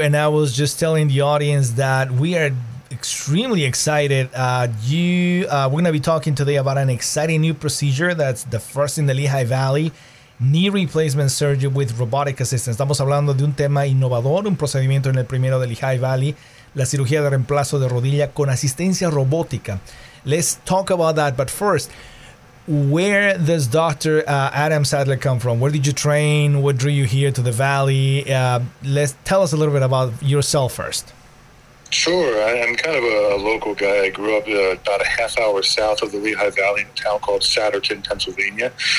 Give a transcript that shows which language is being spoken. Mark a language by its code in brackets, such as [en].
[en] And I was just telling the audience that we are extremely excited. We're going to be talking today about an exciting new procedure that's the first in the Lehigh Valley. Knee replacement surgery with robotic assistance. [es] Estamos hablando de un tema innovador, un procedimiento en el primero de Lehigh Valley, la cirugía de reemplazo de rodilla con asistencia robótica. [en] Let's talk about that, but first, where does Dr. Adam Sadler come from? Where did you train? What drew you here to the Valley? Let's tell us a little bit about yourself first. Sure, I'm kind of a local guy. I grew up about a half hour south of the Lehigh Valley in a town called Satterton, Pennsylvania.